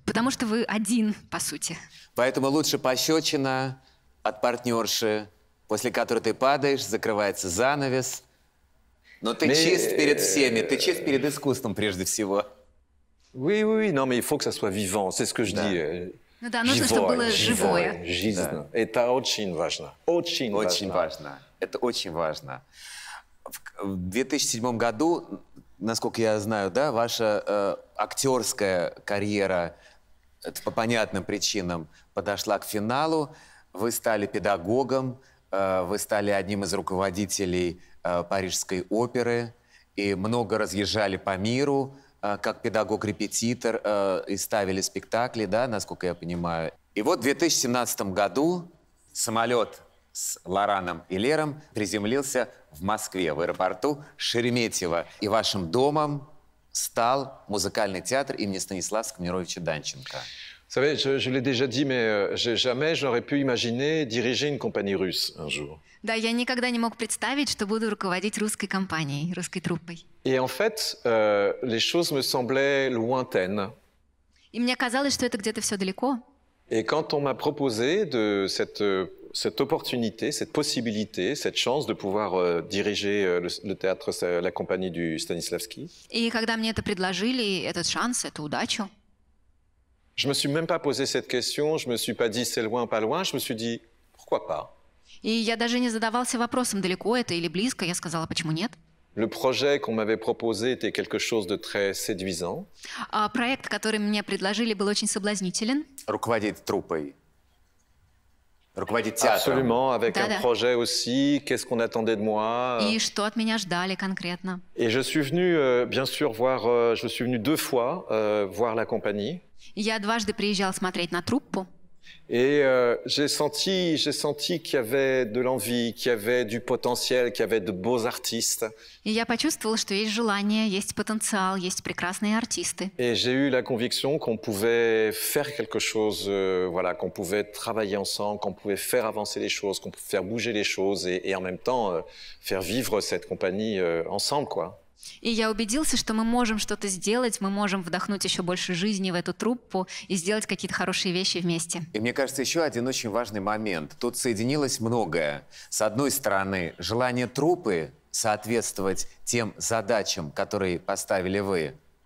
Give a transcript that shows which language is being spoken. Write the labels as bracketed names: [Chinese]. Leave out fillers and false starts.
[Russian] Потому что вы один, по сути. Поэтому лучше пощечина от партнерши, после которой ты падаешь, закрывается занавес. Но ты чист перед всеми, ты чист перед искусством прежде всего. [French] Oui, oui, non, mais il faut que ça soit vivant, c'est ce que je dis. [Russian] Ну да, нужно, чтобы было живое. Жизнь. Да. Это очень важно. Очень важно. Это очень важно. В 2007 году, насколько я знаю, да, ваша актерская карьера по понятным причинам подошла к финалу. Вы стали педагогом, вы стали одним из руководителей Парижской оперы и много разъезжали по миру как педагог-репетитор и ставили спектакли, да, насколько я понимаю. И вот в 2017 году самолет с Лораном и Лером приземлился в Москве, в аэропорту Шереметьево. И вашим домом стал музыкальный театр имени Станислава Скамировича Данченко. [French] Vous savez, je l'ai déjà dit, mais jamais je n'aurais pu imaginer diriger une compagnie russe un jour. [Russian] Да, я никогда не мог представить, что буду руководить русской компанией, русской труппой. [French] Et en fait, les choses me semblaient lointaines. [Russian] И мне казалось, что это где-то все далеко. [French] Et quand on m'a proposé de cette opportunité, cette possibilité, cette chance de pouvoir diriger le théâtre, la compagnie du Stanislavski. [Russian] И когда мне это предложили, этот шанс, эту удачу. [French] Je ne me suis même pas posé cette question, je ne me suis pas dit c'est loin ou pas loin, je me suis dit pourquoi pas. Et [Russian] я даже не задавался вопросом, далеко это или близко, я сказала почему нет. [French] Le projet qu'on m'avait proposé était quelque chose de très séduisant. [Russian] Проект, который мне предложили, был очень соблазнителен. Руководить труппой. Руководить театром. [French] Absolument, avec un projet aussi, qu'est-ce qu'on attendait de moi. [Russian] И что от меня ждали конкретно. [French] Et je suis venu, bien sûr, voir, je suis venu deux fois voir la compagnie. [Russian] Я дважды приезжал смотреть на труппу. [French] Et j'ai senti qu'il y avait de l'envie, qu'il y avait du potentiel, qu'il y avait de beaux artistes. [Russian] И я почувствовал, что есть желание, есть потенциал, есть прекрасные артисты. [French] Et j'ai eu la conviction qu'on pouvait faire quelque chose, voilà, qu'on pouvait travailler ensemble, qu'on pouvait faire avancer les choses, qu'on pouvait faire bouger les choses et en même temps faire vivre cette compagnie ensemble, quoi. [Russian] И я убедился, что мы можем что-то сделать, мы можем вдохнуть еще больше жизни в эту труппу и сделать какие-то хорошие вещи вместе. И мне кажется, еще один очень важный момент. Тут соединилось многое. С одной стороны, желание труппы соответствовать тем задачам, которые поставили вы.